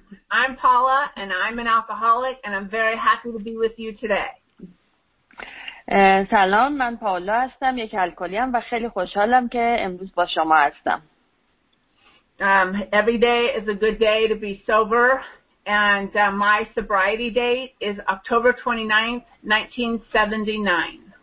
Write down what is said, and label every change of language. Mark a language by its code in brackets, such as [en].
[en] I'm Paula, and I'm an alcoholic, and I'm very happy to be with you today. [fa] سلام، من پاولا هستم، یک الکلیم و خیلی خوشحالم که امروز با شما هستم. [en] Every day is a good day to be sober, and my sobriety date is October 29th, 1979.